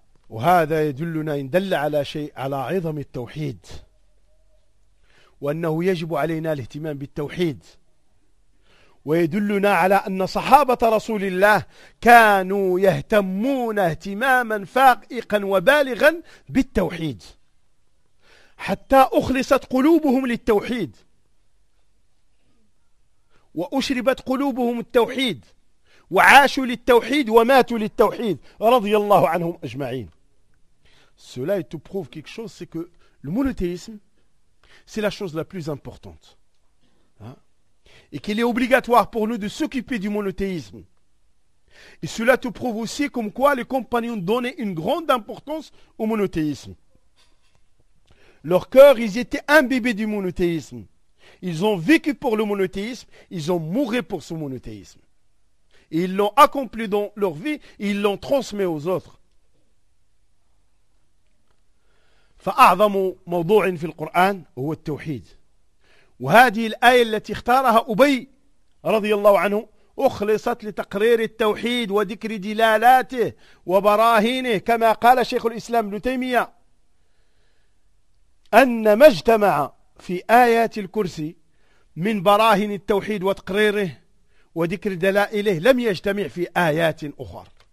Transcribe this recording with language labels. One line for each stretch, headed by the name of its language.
Arabic: وهذا يدلنا إن دل على شيء على عظم التوحيد وأنه يجب علينا الاهتمام بالتوحيد ويدلنا على أن صحابة رسول الله كانوا يهتمون اهتماما فائقا وبالغا بالتوحيد حتى أخلصت قلوبهم للتوحيد وأشربت قلوبهم التوحيد وعاشوا للتوحيد وماتوا للتوحيد رضي الله عنهم أجمعين.
French: Cela te prouve quelque chose, c'est que le monothéisme, c'est la chose la plus importante. et qu'il est obligatoire pour nous de s'occuper du monothéisme. Et cela te prouve aussi comme quoi les compagnons donnaient une grande importance au monothéisme. Leur cœur, ils étaient imbibés du monothéisme. Ils ont vécu pour le monothéisme, ils ont mouru pour ce monothéisme. Et ils l'ont accompli dans leur vie, et ils l'ont transmis aux autres.
Arabic: فأعظم موضوع في القرآن هو التوحيد وهذه الآية التي اختارها أبي رضي الله عنه أخلصت لتقرير التوحيد وذكر دلالاته وبراهينه كما قال شيخ الإسلام ابن تيمية أن ما اجتمع في آيات الكرسي من براهين التوحيد وتقريره وذكر دلائله لم يجتمع في آيات أخرى